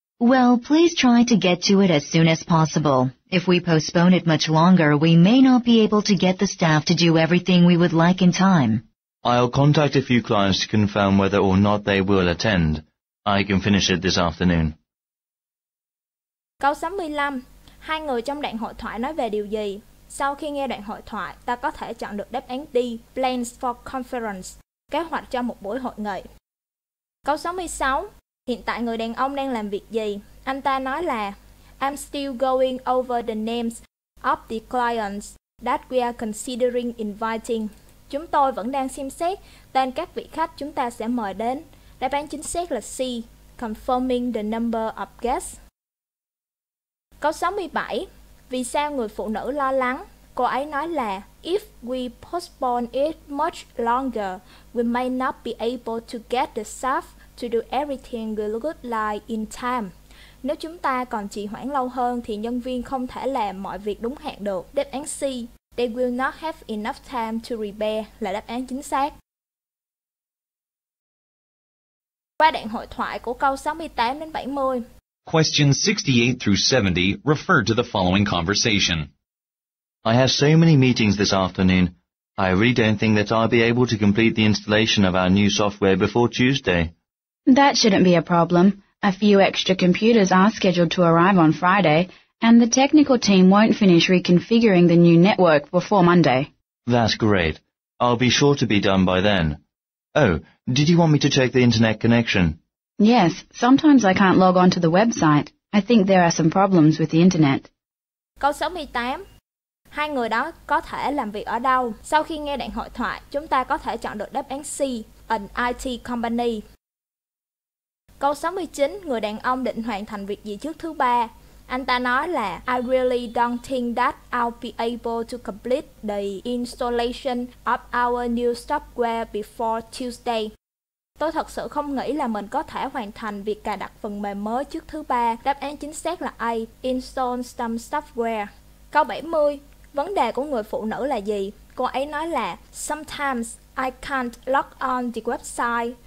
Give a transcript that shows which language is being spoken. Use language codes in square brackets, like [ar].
[en] Well, please try to get to it as soon as possible. If we postpone it much longer, we may not be able to get the staff to do everything we would like in time. I'll contact a few clients to confirm whether or not they will attend. I can finish it this afternoon. [vi] Câu 65. Hai người trong đoạn hội thoại nói về điều gì? Sau khi nghe đoạn hội thoại, ta có thể chọn được đáp án D, [en] plans for conference, [vi] kế hoạch cho một buổi hội nghị. Câu 66. Hiện tại người đàn ông đang làm việc gì? Anh ta nói là [en] I'm still going over the names of the clients that we are considering inviting. [vi] Chúng tôi vẫn đang xem xét tên các vị khách chúng ta sẽ mời đến. Đáp án chính xác là C, [en] confirming the number of guests. [vi] Câu 67. Vì sao người phụ nữ lo lắng? Cô ấy nói là [en] If we postpone it much longer, we may not be able to get the staff to do everything we would like in time. [vi] Nếu chúng ta còn trì hoãn lâu hơn thì nhân viên không thể làm mọi việc đúng hạn được. Đáp án C, [en] they will not have enough time to prepare, [vi] là đáp án chính xác. Qua đoạn hội thoại của câu 68 đến 70. [en] Questions 68 through 70 refer to the following conversation. I have so many meetings this afternoon. I really don't think that I'll be able to complete the installation of our new software before Tuesday. That shouldn't be a problem. A few extra computers are scheduled to arrive on Friday, and the technical team won't finish reconfiguring the new network before Monday. That's great. I'll be sure to be done by then. Oh, did you want me to check the internet connection? Yes, sometimes I can't log on to the website. I think there are some problems with the internet. [vi] Câu 68. Hai người đó có thể làm việc ở đâu? Sau khi nghe đoạn hội thoại, chúng ta có thể chọn được đáp án C, [en] an IT company. [vi] Câu 69. Người đàn ông định hoàn thành việc gì trước thứ ba? Anh ta nói là [en] I really don't think that I'll be able to complete the installation of our new software before Tuesday. [vi] Tôi thật sự không nghĩ là mình có thể hoàn thành việc cài đặt phần mềm mới trước thứ ba. Đáp án chính xác là A, [en] install some software. [vi] Câu 70. Vấn đề của người phụ nữ là gì? Cô ấy nói là [en] Sometimes I can't log on the website.